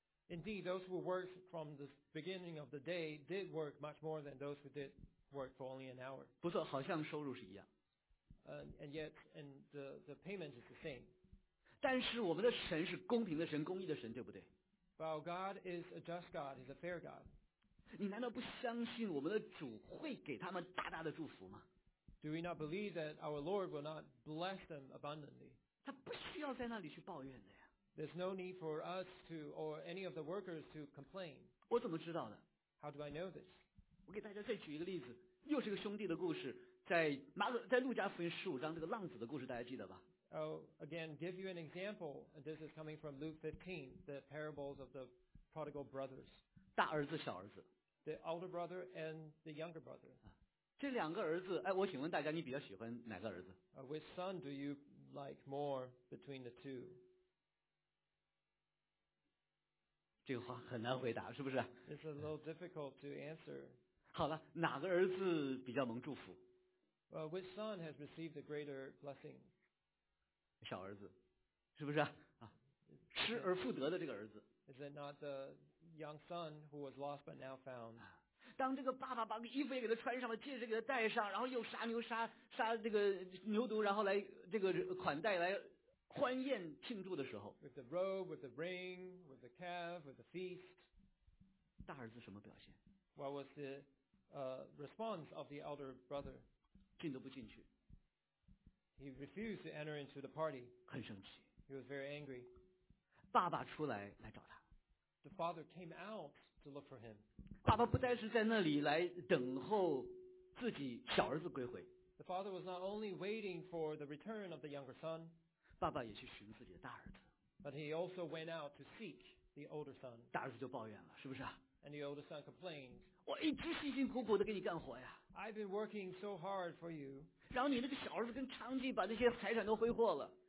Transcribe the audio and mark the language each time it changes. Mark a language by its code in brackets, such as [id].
[en] Indeed, those who worked from the beginning of the day did work much more than those who did work for only an hour. [zh] 不错，好像收入是一样。 [en] And yet, and the payment is the same. [zh] 但是我们的神是公平的神，公义的神，对不对？ [en] Well, God is a just God. He's a fair God. [zh] 你难道不相信我们的主会给他们大大的祝福吗？ [en] Do we not believe that our Lord will not bless them abundantly? [zh] 他不需要在那里去抱怨的呀。 [en] There's no need for us to or any of the workers to complain. [zh] 我怎么知道的？ [en] How do I know this? [zh] 我给大家再举一个例子，又是个兄弟的故事，在路加福音十五章这个浪子的故事，大家记得吧？ [en] Oh, again, give you an example. This is coming from Luke 15, the parables of the prodigal brothers. [zh] 大儿子、小儿子。 [en] The older brother and the younger brother. [zh] 这两个儿子，哎，我请问大家，你比较喜欢哪个儿子？ [en] Which son do you like more between the two? [zh] 这个话很难回答，是不是？ [en] It's a little difficult to answer. [zh] 好了，哪个儿子比较蒙祝福？ [en] Well, which son has received the greater blessing? [zh] 小儿子，是不是 失而复得的这个儿子。 [en] Is it not the young son who was lost but now found? [zh] 当这个爸爸把衣服也给他穿上了，戒指给他戴上，然后又杀牛杀这个牛犊，然后来这个款待来欢宴庆祝的时候。 [en] With the robe, with the ring, with the calf, with the feast. [zh] 大儿子什么表现？ [en] What was the response of the elder brother? [zh] 进都不进去。 [en] He refused to enter into the party. [zh] 很生气。 [en] He was very angry. [zh] 爸爸出来来找他。 [en] The father came out to look for him. [zh] 爸爸不再是在那里来等候自己小儿子归回。 [en] The father was not only waiting for the return of the younger son. [zh] 爸爸也去寻自己的大儿子。 [en] But he also went out to seek the older son. [zh] 大儿子就抱怨了，是不是啊？ [en] And the older son complained. [zh] 我一直辛辛苦苦地给你干活呀。 [en] I've been working so hard for you. [zh] 然后你那个小儿子跟娼妓把那些财产都挥霍了。